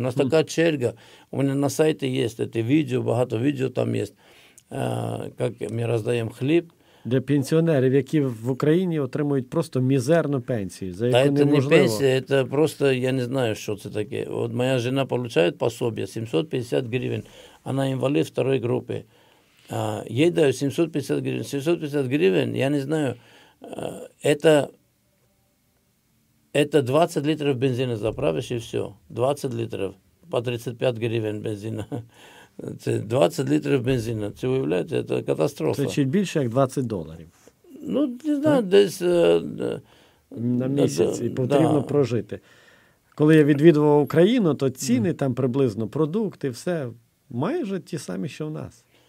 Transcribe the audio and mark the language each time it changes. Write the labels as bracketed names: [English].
[Ukrainian] У нас така черга, у мене на сайті є це відео, багато відео там є, як ми роздаємо хліб. Для пенсіонерів, які в Україні отримують просто мізерну пенсію, за яку неможливо. Та це не пенсія, це просто, я не знаю, що це таке. От моя жена отримує пособі 750 гривень, вона інвалід второї групи. Їй даю 750 гривень. [Russian] 750 гривень, я не знаю, это 20 литров бензина заправишь и все. 20 литров по 35 гривен бензина. [Ukrainian] Це 20 літрів бензину. Це, уявляєте, це катастрофа. Це чуть більше, як 20 доларів. Ну, не знаю, десь... На місяць, і потрібно прожити. Коли я відвідував Україну, то ціни там приблизно, продукти, все, майже ті самі, що в нас.